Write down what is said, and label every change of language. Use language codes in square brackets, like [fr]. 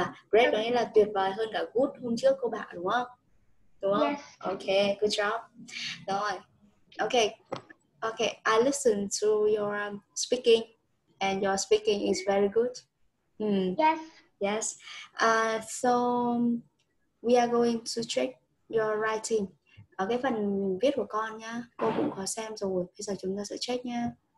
[vi] Great có nghĩa là tuyệt vời hơn cả good hôm trước cô bạn đúng không? Đúng không? [en] Yes. Okay, good job. [vi] Rồi. [en] Okay. Okay, I listen to your speaking and your speaking is very good. Yes. Yes. So we are going to check your writing. [vi] Ở cái phần viết của con nhá, cô cũng có xem rồi. Bây giờ chúng ta sẽ check nha.